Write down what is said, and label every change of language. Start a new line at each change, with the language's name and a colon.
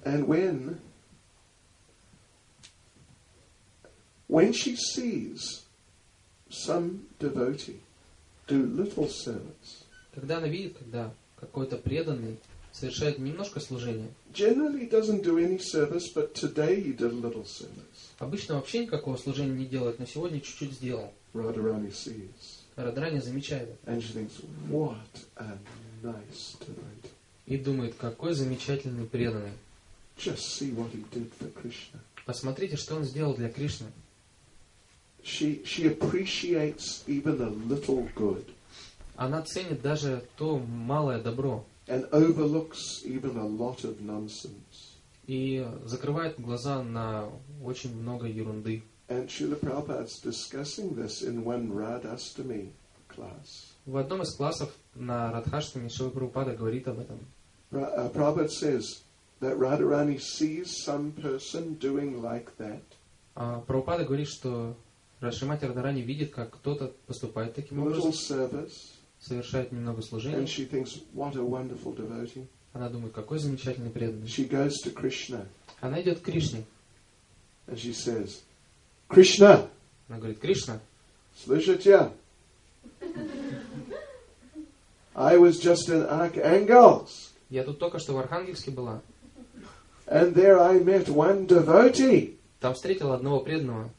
English: And when she sees some devotee do little service,
Russian: когда она видит, когда какой-то преданный совершает немножко служения.
English: Generally doesn't do any service, but today he did a little service.
Russian: Обычно вообще никакого служения не делает, но сегодня чуть-чуть сделал.
English: Radharani sees.
Russian: Радхарани замечает.
English: And she thinks, what a nice devotee.
Russian: И думает, какой замечательный преданный.
English: Just see what he did for Krishna.
Russian: Посмотрите, что он сделал для Кришны.
English: She appreciates even a little good.
Russian: Она ценит даже то малое добро.
English: And overlooks even a lot of nonsense.
Russian: И закрывает глаза на очень много ерунды.
English: And Srila Prabhupada's discussing this in one Radhastami class.
Russian: В одном из классов на Радхаштами Шрила Прабхупада говорит об этом.
English: Prabhupada says that Radharani sees some person doing like that.
Russian: Прабхупада говорит, что Шримати Радхарани видит, как кто-то поступает таким
English: little
Russian: образом.
English: Service.
Russian: Совершает немного служения.
English: And she thinks, what a wonderful devotee.
Russian: Она думает, какой замечательный преданный.
English: She goes to Krishna.
Russian: Она идет к Кришне.
English: And she says, Krishna.
Russian: Она говорит, Кришна. Слышите?
English: I was just in Arkhangelsk.
Russian: Я тут только что в Архангельске была.
English: And there I met one devotee.
Russian: Там встретил одного преданного.